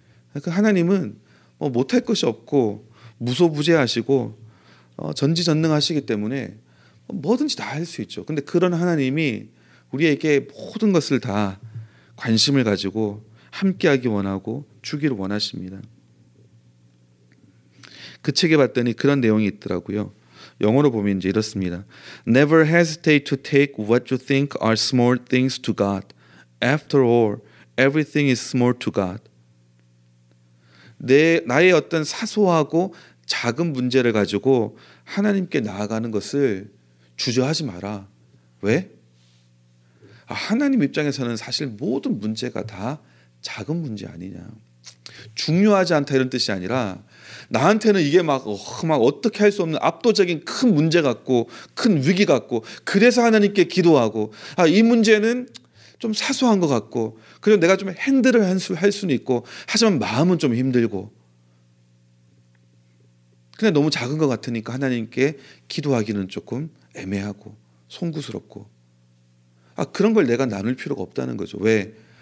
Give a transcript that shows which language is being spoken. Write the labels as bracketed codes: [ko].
[ko] 그러니까 하나님은 뭐 못할 것이 없고 무소부재하시고 전지전능하시기 때문에 뭐든지 다 할 수 있죠. 근데 그런 하나님이 우리에게 모든 것을 다 관심을 가지고 함께하기 원하고 주기를 원하십니다. 그 책에 봤더니 그런 내용이 있더라고요. 영어로 보면 이제 이렇습니다. [en] Never hesitate to take what you think are small things to God. After all, everything is small to God. [ko] 나의 어떤 사소하고 작은 문제를 가지고 하나님께 나아가는 것을 주저하지 마라. 왜? 하나님 입장에서는 사실 모든 문제가 다 작은 문제 아니냐. 중요하지 않다 이런 뜻이 아니라 나한테는 이게 막 어떻게 할 수 없는 압도적인 큰 문제 같고 큰 위기 같고 그래서 하나님께 기도하고 이 문제는 좀 사소한 것 같고 그리고 내가 좀 핸들을 할 수는 있고 하지만 마음은 좀 힘들고 근데 너무 작은 것 같으니까 하나님께 기도하기는 조금 애매하고 송구스럽고 그런 걸 내가 나눌 필요가 없다는 거죠. 왜?